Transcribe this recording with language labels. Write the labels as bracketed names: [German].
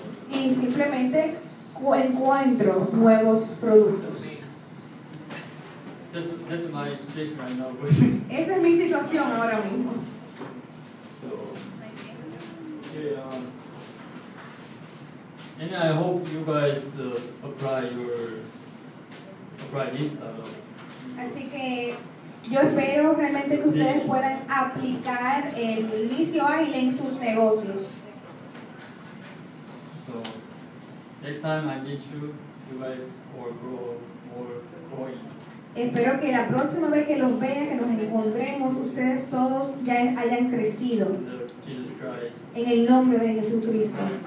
[Spanish] Y simplemente encuentro nuevos productos. [English] That's my situation right now. [Spanish] Esa es mi situación ahora mismo. [English] Yeah, and I hope you guys apply this. [Spanish] Así que yo espero realmente que ustedes puedan aplicar el inicio ágil en sus negocios. [English] So next time I meet you guys will grow more coin. [Spanish] Espero que la próxima vez que los vea, que nos encontremos, ustedes todos ya hayan crecido en el nombre de Jesucristo.